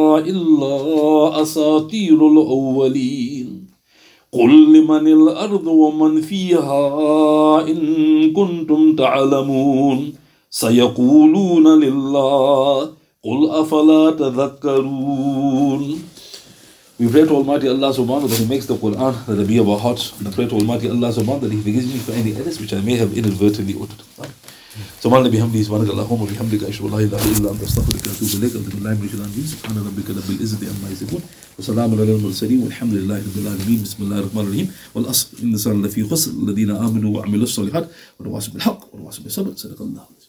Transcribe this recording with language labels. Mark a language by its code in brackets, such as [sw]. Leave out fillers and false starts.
[ar] إلا أساطير الأولين قل لمن الأرض ومن فيها إن كنتم تعلمون سيقولون لله قل أفلا تذكرون [en] We pray to Almighty Allah subhanahu that He makes the Quran the Rabi of our hearts. And I pray to Almighty Allah subhanahu that He forgives me for any errors which I may have inadvertently uttered. [ar] سبحان ربي الحمد لله سبحانك اللهم وبحمدك اشهد ان لا اله الا انت استغفرك واتوب اليك الحمد لله رب العالمين سبحان ربك رب العزة عما يصفون وسلام على المرسلين والحمد لله رب العالمين بسم الله الرحمن الرحيم والاصل ان الانسان لفي خسر الذين امنوا وعملوا الصالحات ونواصل بالحق ونواصل بالصبر صدق الله العظيم